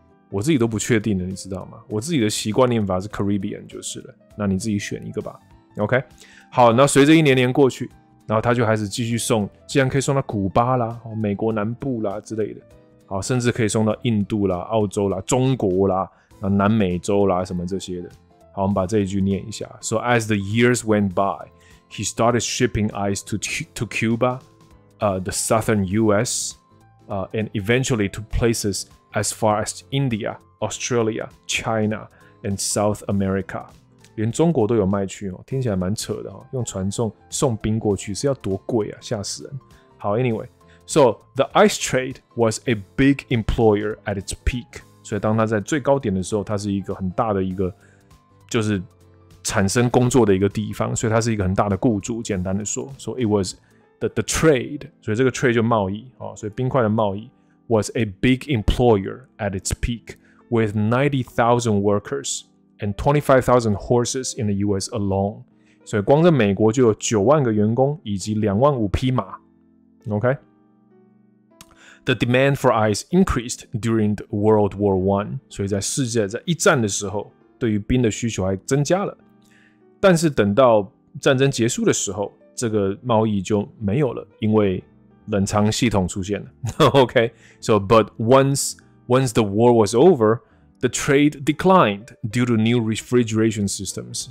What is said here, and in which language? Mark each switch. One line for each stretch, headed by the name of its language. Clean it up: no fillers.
Chinese: 我自己都不确定的，你知道吗？我自己的习惯念法是 Caribbean 就是了，那你自己选一个吧。 OK， 好，那随着一年年过去，然后他就开始继续送，既然可以送到古巴啦、美国南部啦之类的，好，甚至可以送到印度啦、澳洲啦、中国啦、南美洲啦什么这些的。好，我们把这一句念一下
English: ：So as the years went by, he started shipping ice to Cuba, the southern U.S., and eventually to places as far as India, Australia, China, and South America.
Chinese: 连中国都有卖去、听起来蛮扯的、用船送冰过去是要多贵啊，吓死人。
English: 好 ,anyway, so the ice trade was a big employer at its peak.
Chinese: 所以当它在最高点的时候，它是一个很大的一个就是产生工作的一个地方，所以它是一个很大的雇主，简单的说。
English: So it was the trade,
Chinese: 所以这个 trade 就贸易、所以冰块的贸易。
English: Was a big employer at its peak, with 90,000 workers and 25,000 horses in the U.S. alone.
Chinese: 所以光在美国就有90,000个员工以及25,000匹马。
English: OK. The demand for ice increased during World War One.
Chinese: 所以在世界在一战的时候，对于冰的需求还增加了。但是等到战争结束的时候，这个贸易就没有了，因为冷藏系统出现了。
English: OK, so but once the war was over, the trade declined due to new refrigeration systems.